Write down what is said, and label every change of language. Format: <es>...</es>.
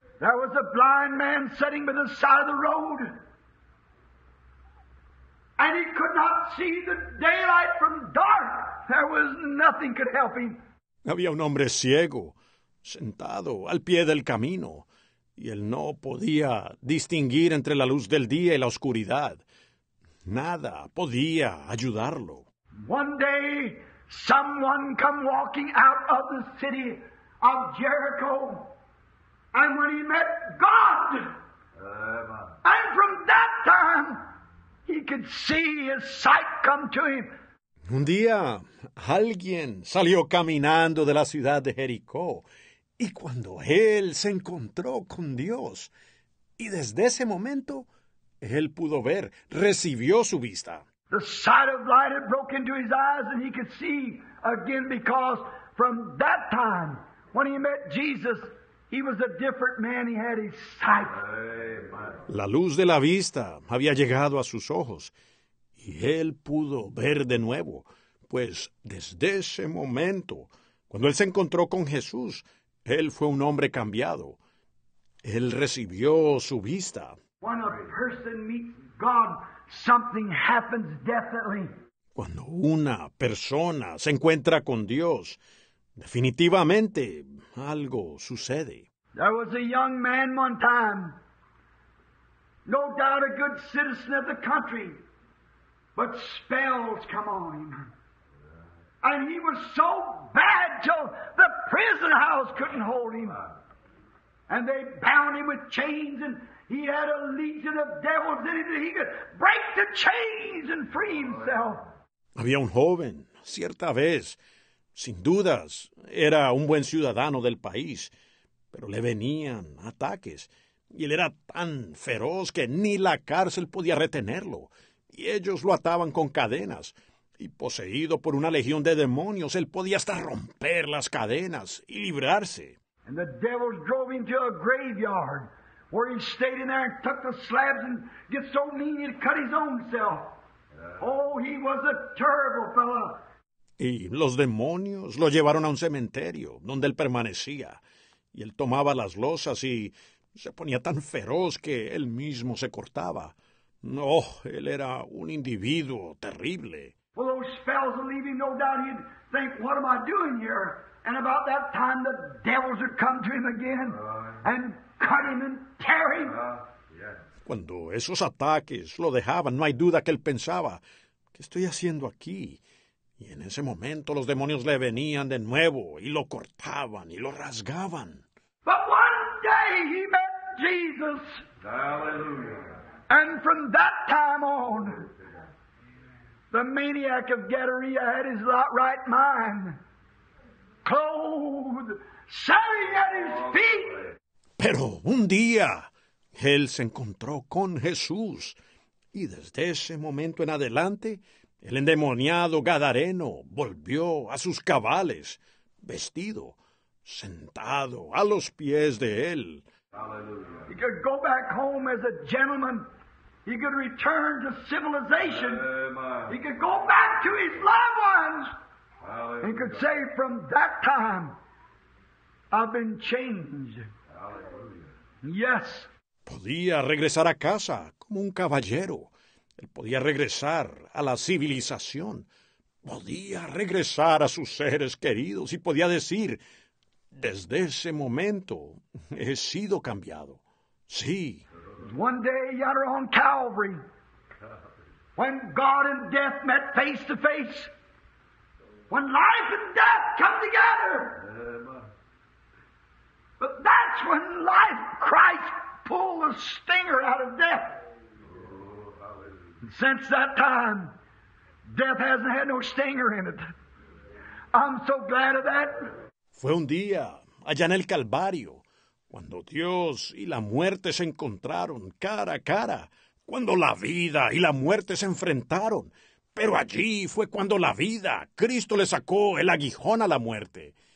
<en>There was a blind man sitting by the side of the road, and he could not see the daylight from dark. There was nothing could help him.</en> <es>Había un hombre ciego, sentado al pie del camino, y él no podía distinguir entre la luz del día y la oscuridad. Nada podía ayudarlo.</es> <en>One day, someone come walking out of the city of Jericho. And when he met God, and from that time, he could see his sight come to him.</en> <es>Un día, alguien salió caminando de la ciudad de Jericó, y cuando él se encontró con Dios, y desde ese momento, él pudo ver, recibió su vista.</es> <en>The sight of light had broken into his eyes, and he could see again, because from that time, when he met Jesus, he was a different man. He had his sight.</en> <es>La luz de la vista había llegado a sus ojos, y él pudo ver de nuevo, pues desde ese momento, cuando él se encontró con Jesús, él fue un hombre cambiado. Él recibió su vista.</es> <en>When a person meets God, something happens definitely.</en> <es>Cuando una persona se encuentra con Dios, definitivamente, algo sucede.</es> <en>There was a young man one time, no doubt a good citizen of the country, but spells come on him. And he was so bad till the prison house couldn't hold him. And they bound him with chains, and he had a legion of devils in him that he could break the chains and free himself.</en> <es>Había un joven, cierta vez, sin dudas, era un buen ciudadano del país, pero le venían ataques, y él era tan feroz que ni la cárcel podía retenerlo, y ellos lo ataban con cadenas, y poseído por una legión de demonios, él podía hasta romper las cadenas y librarse.</es> <en>And the devils drove him to a graveyard, where he stayed in there and took the slabs and get so mean he'd cut his own self. Oh, he was a terrible fellow.</en> <es>Y los demonios lo llevaron a un cementerio donde él permanecía. Y él tomaba las losas y se ponía tan feroz que él mismo se cortaba. No, él era un individuo terrible.</es> <en>Well, those spells are leaving, no doubt he'd think, what am I doing here? And about that time the devils would come to him again and cut him and tear him.</en> <es>Cuando esos ataques lo dejaban, no hay duda que él pensaba, ¿qué estoy haciendo aquí? Y en ese momento los demonios le venían de nuevo y lo cortaban y lo rasgaban.</es> <en>But one day he met Jesus. Hallelujah. And from that time on, the maniac of Gadara had his right mind. Clothed, shouting at his feet.</en> <es>Pero un día él se encontró con Jesús. Y desde ese momento en adelante, el endemoniado gadareno volvió a sus cabales, vestido, sentado a los pies de él.</es> <en>Hallelujah. He could go back home as a gentleman. He could return to civilization. Amen. He could go back to his loved ones. Hallelujah. He could say, from that time, I've been changed. Hallelujah. Yes.</en> <es>Podía regresar a casa como un caballero. Él podía regresar a la civilización. Podía regresar a sus seres queridos y podía decir, desde ese momento he sido cambiado. Sí.</es> <en>One day yonder on Calvary, when God and death met face to face, when life and death come together. But that's when life, Christ, pulled the stinger out of death. Since that time, death hasn't had no stinger in it. I'm so glad of that.</en> <es>Fue un día, allá en el Calvario, cuando Dios y la muerte se encontraron cara a cara, cuando la vida y la muerte se enfrentaron, pero allí fue cuando la vida, Cristo le sacó el aguijón a la muerte.</es>